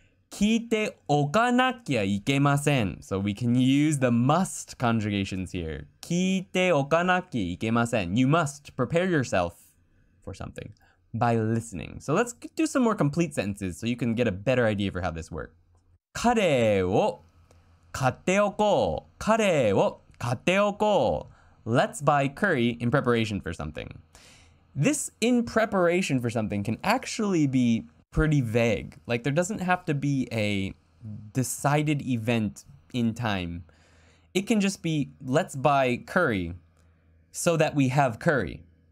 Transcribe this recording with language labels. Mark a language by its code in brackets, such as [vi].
[ja] 聞いておかなきゃいけません。 [en] So we can use the must conjugations here. [ja] 聞いておかなきゃいけません。 [en] You must prepare yourself for something by listening. So let's do some more complete sentences so you can get a better idea for how this works. [ja] 彼を買っておこう。彼を買っておこう。 [en] let's buy curry in preparation for something. This in preparation for something can actually be pretty vague. Like, there doesn't have to be a decided event in time. It can just be, let's buy curry so that we have curry.